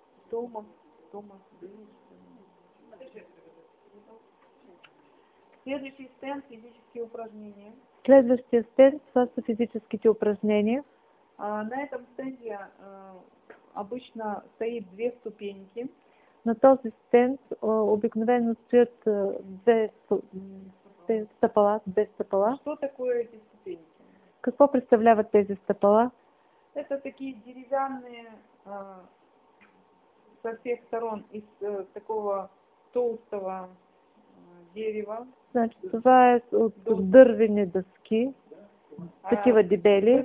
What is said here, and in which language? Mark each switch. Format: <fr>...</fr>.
<ru>Томас. Томас Бейл. Следующий стенд – физические упражнения. Следующий стенд – это физические упражнения. На этом стенде обычно стоит две ступеньки.</ru> <bg>На този стенд обикновено стоят две стъпала.</bg> <ru>Что такое эти ступеньки?</ru> <bg>Какво представляват тези стъпала?</bg> <ru>Это такие деревянные со всех сторон из такого толстого дерева.</ru> <bg>Значит, това е от дървени дъски, такива дебели.</bg>